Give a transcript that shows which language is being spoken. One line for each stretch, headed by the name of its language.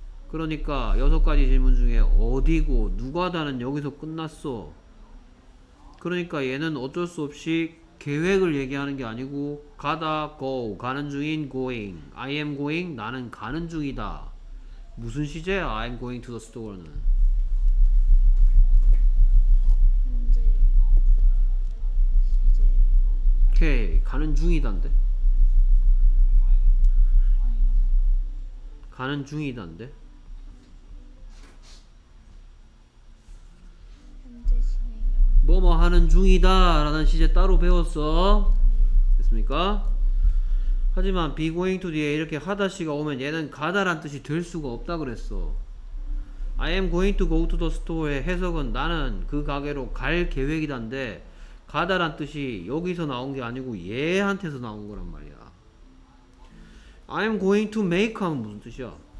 Korean: 그러니까 여섯 가지 질문 중에 어디고 누가다는 여기서 끝났어. 그러니까 얘는 어쩔 수 없이 계획을 얘기하는 게 아니고 가다, go, 가는 중인 going,
English: I am going,
Korean: 나는 가는 중이다. 무슨 시제야
English: I am going to the store
Korean: 는? 오케이, 가는 중이던데? 가는 중이던데? 뭐뭐 하는 중이다 라는 시제 따로 배웠어? 됐습니까? 하지만 be going to 뒤에 이렇게 하다시가 오면 얘는 가다란 뜻이 될 수가 없다 그랬어.
English: I am going to go to the store
Korean: 의 해석은 나는 그 가게로 갈 계획이던데 가다란 뜻이 여기서 나온 게 아니고 얘한테서 나온 거란 말이야.
English: I'm going to make
Korean: 하면 무슨 뜻이야?